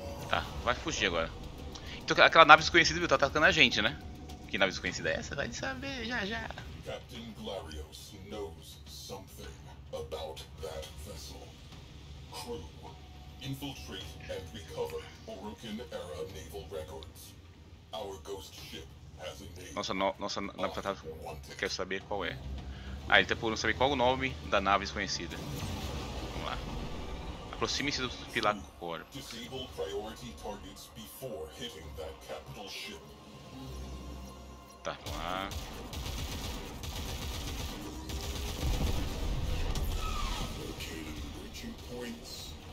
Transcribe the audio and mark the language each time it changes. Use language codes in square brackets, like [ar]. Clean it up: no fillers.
[pt] Tá, vai fugir agora. Então aquela nave desconhecida, viu, tá atacando a gente, né? Que nave desconhecida é essa? Vai de saber, já já. [en] Captain Glarios knows something about that vessel. Crew, infiltrate and recover Orukin era naval records. Our ghost ship has a name. [pt] Nossa nave tá. Quer saber qual é? Ah, ele tá por não saber qual o nome da nave desconhecida. Vamos lá. Aproxime-se do pilar do corpo. [en] Disable priority targets before hitting that capital ship. [pt] Tá, vamos lá. [en] Located bridging points.